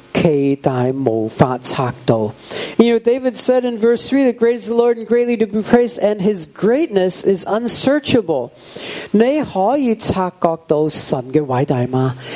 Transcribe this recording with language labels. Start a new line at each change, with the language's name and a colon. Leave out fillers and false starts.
Chinese: 奇大无法测度。
English: You know, David said in verse 3, the great is the Lord and greatly to be praised, and his greatness is unsearchable.
Chinese: 你可以察觉到神的伟大吗?